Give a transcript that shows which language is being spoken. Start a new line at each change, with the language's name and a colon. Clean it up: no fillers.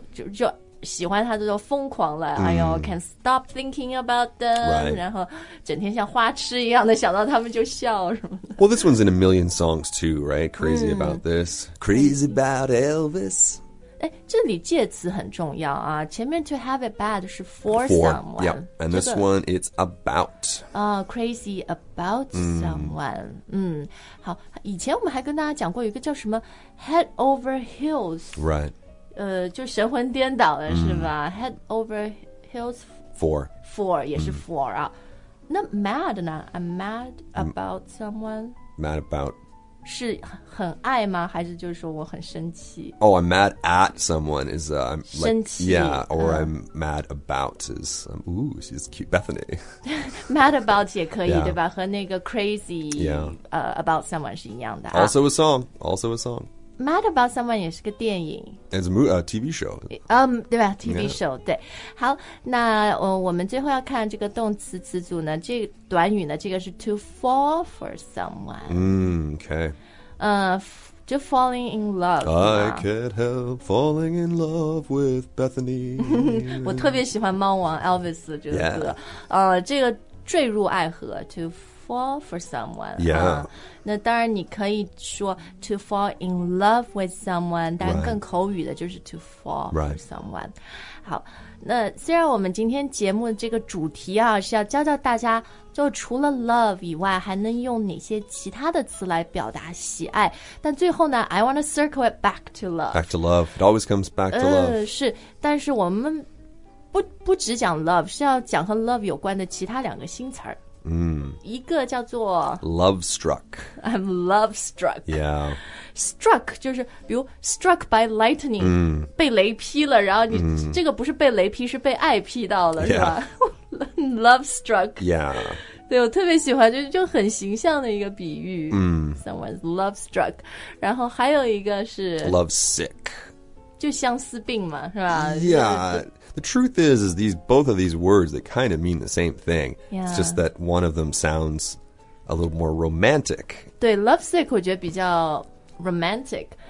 Chinese: 就喜欢他就疯狂了、哎呦
English: can't stop thinking about them、 right.
Chinese: 然后整天像花痴一样的想到他们就笑什么的
English: Well, this one's in a million songs too, right? Crazy、about this Crazy about Elvis
Chinese: 哎，这里介词很重要啊前面
English: to have it bad
Chinese: 是
English: for someone、 yep. And this one, it's about、 Crazy about someone、
Chinese: 好以前我们还跟大家讲过一个叫什么
English: Head over heels Right
Chinese: 就神魂颠倒了、是吧
English: Head over heels Four
Chinese: 也是 four 啊那 mad 呢
English: I'm mad about someone Mad about
Chinese: 是很爱吗还是就是说我很生气
English: Oh, I'm mad at someone is, I'm like,
Chinese: 生气
English: Yeah, or I'm mad about is, ooh, she's cute, Bethany
Chinese: Mad about 也可以、
English: yeah.
Chinese: 对吧和那个 crazy、
English: yeah. About someone
Chinese: 是一样的、啊、
English: Also a song, also a song Mad about someone
Chinese: 也是个电影
English: It's a TV show、
Chinese: 对吧 TV、yeah.
English: show,
Chinese: 对好那、我们最后要看这个动词词组呢这短语呢这个是
English: to fall for someone、 Okay Just falling in love. I can't help falling in love with Bethany.
Chinese: 我特别喜欢猫王 Elvis 这个歌、
English: yeah.
Chinese: 这个坠入爱河
English: To fall for someone. Yeah.、
Chinese: 那当然你可以说
English: To fall in love with someone
Chinese: 但更口语的就是
English: To fall、 right. for someone.
Chinese: 好那虽然我们今天节目的这个主题啊是要教教大家就除了 love 以外还能用哪些其他的词来表达喜爱但最后呢
English: I want to circle it back to love Back to love, it always comes back to love
Chinese: 是但是我们 不只讲 love 是要讲和 love 有关的其他两个新词儿一个叫做
English: Love struck I'm love struck Yeah
Chinese: Struck 就是比如
English: Struck by lightning、
Chinese: 被雷劈了然后你、这个不是被雷劈是被爱劈到了、
English: yeah.
Chinese: 是吧 Love struck
English: Yeah
Chinese: 对我特别喜欢 就很形象的一个比喻、
English: Someone's love struck
Chinese: 然后还有一个是
English: Love sick
Chinese: 就相思病嘛是吧
English: Yeah The truth is these, both of these words, they kind of mean the same thing.、 Yeah. It's just that one of them sounds a little more romantic.
Chinese: 对 lovesick 我觉得比较 romantic.